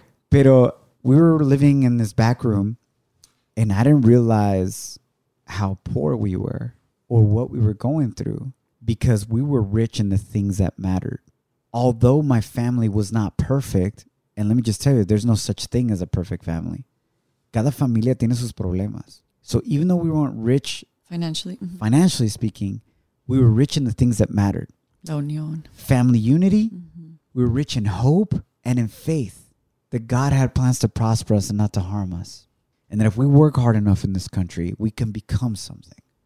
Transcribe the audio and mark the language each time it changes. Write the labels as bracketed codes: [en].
[en] Pero we were living in this back room, and I didn't realize how poor we were or what we were going through, because we were rich in the things that mattered. Although my family was not perfect, and let me just tell you, there's no such thing as a perfect family. [es] Cada familia tiene sus problemas. [en] So even though we weren't rich financially, financially speaking, we were rich in the things that mattered. [es] La unión. [en] Family unity. Mm-hmm. We were rich in hope and in faith that God had plans to prosper us and not to harm us. And that if we work hard enough in this country, we can become something.